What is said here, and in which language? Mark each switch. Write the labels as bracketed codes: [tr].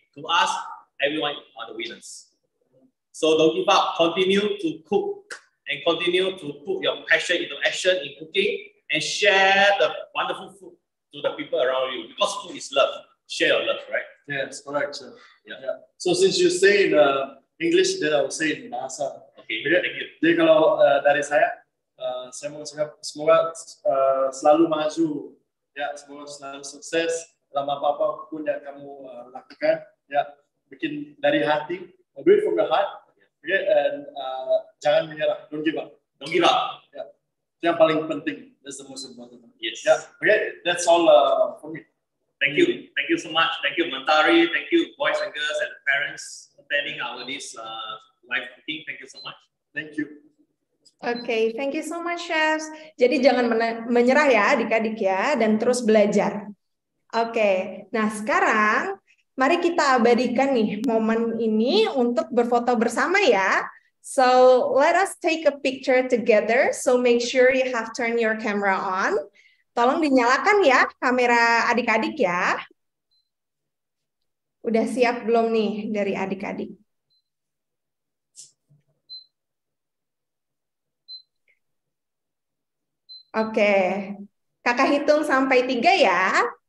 [en] To us, everyone are the winners. So don't give up, continue to cook and continue to put your passion into action in cooking and share the wonderful food to the people around you, because food is love. Share your love, right? Yes, correct. Yeah. Yeah. So since you say in English, then I will say in Bahasa. Okay, yeah. Thank you. [id] Jadi kalau dari saya mau cakap, semoga selalu maju, ya, semoga selalu sukses dalam apa-apa pun yang kamu lakukan, ya, bikin dari hati, [en] do it from the heart, [id] yeah. [en] Okay, and [id] jangan menyerah, [en] don't give up. Don't give up. [id] Ya, itu yang paling penting, [en] that's the most important. Yes. Yeah. Okay, that's all for me. Thank you. Thank you so much. Thank you, Mentari. Thank you, boys and girls and parents attending our this live meeting. Thank you so much. Thank you. Okay, thank you so much, chefs. [id] Jadi jangan menyerah ya, adik-adik ya, dan terus belajar. Okay, nah sekarang mari kita abadikan nih momen ini untuk berfoto bersama ya. [en] So let us take a picture together. So make sure you have turned your camera on. [id] Tolong dinyalakan ya kamera adik-adik ya. Udah siap belum nih dari adik-adik? Oke, kakak hitung sampai 3 ya.